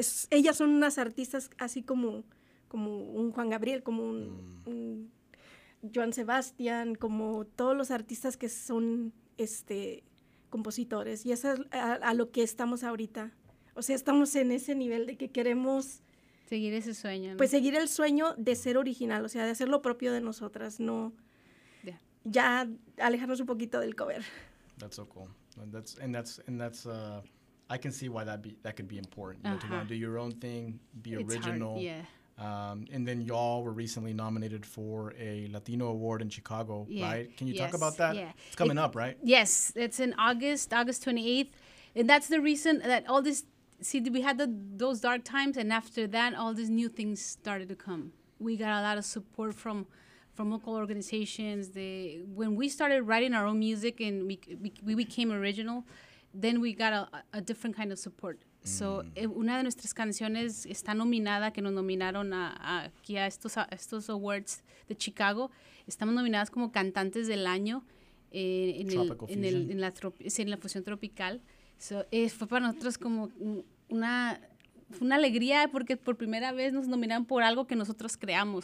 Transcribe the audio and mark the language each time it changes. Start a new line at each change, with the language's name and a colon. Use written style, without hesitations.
Spanish: Ellas son unas artistas así como un Juan Gabriel, como un Joan Sebastián, como todos los artistas que son compositores. Y eso es a lo que estamos ahorita. O sea, estamos en ese nivel de que queremos Seguir ese sueño, ¿no? Pues seguir el sueño de ser original, o sea, de hacer lo propio de nosotras, no yeah. ya alejarnos un poquito del cover.
English: That's so cool. And that's I can see why that could be important. You uh-huh. know, to want to do your own thing, be it's original. Hard, yeah. And then y'all were recently nominated for a Latino Award in Chicago, yeah. right? Can you yes. talk about that? Yeah. It's coming up, right? Yes, it's in August 28th. And that's the reason that all this, see, we had those dark times, and after that, all these new things started to come. We got a lot of support from local organizations. When we started writing our own music and we became original, then we got a different kind of support.
Spanish: So, una de nuestras canciones está nominada, que nos nominaron aquí a estos awards de Chicago. Estamos nominadas como cantantes del año en la fusión tropical. So, fue para nosotros como una alegría porque por primera vez nos nominaron por algo que nosotros creamos.